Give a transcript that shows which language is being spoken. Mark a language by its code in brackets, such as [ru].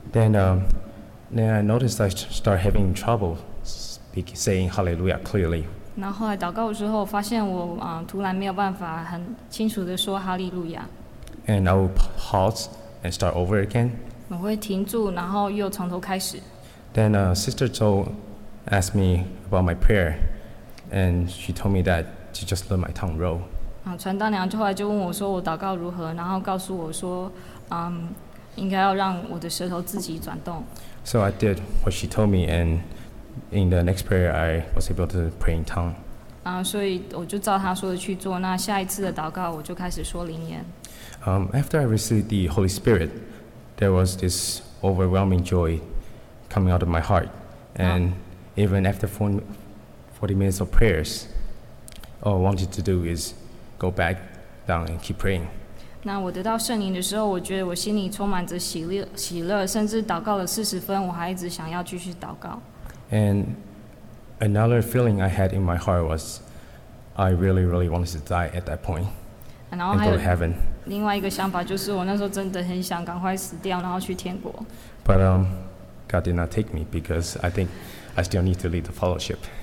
[en] Then I noticed I start having trouble saying hallelujah clearly. [zh] 然后后来祷告之后，发现我突然没有办法很清楚的说哈利路亚。 [en] And I will pause and start over again. [zh] 我会停住，然后又从头开始。 [en] Then Sister Zhou asked me about my prayer, and she told me that she just learned my tongue roll. [zh] 传道娘后来就问我说我祷告如何，然后告诉我说，应该要让我的舌头自己转动。 [en] So I did what she told me, and in the next prayer, I was able to pray in tongue. [zh] 所以我就照她说的去做。那下一次的祷告，我就开始说灵言。 [en] After I received the Holy Spirit, there was this overwhelming joy coming out of my heart, and even after 40 minutes of prayers, all I wanted to do is go back down and keep praying. [zh] 那我得到圣灵的时候，我觉得我心里充满着喜乐，甚至祷告了40分，我还一直想要继续祷告。 [en] And another feeling I had in my heart was, I really, really wanted to die at that point and go to heaven. [zh] 另外一个想法就是我那时候真的很想赶快死掉，然后去天国。 [en] But God did not take me because I think I still need to lead the fellowship.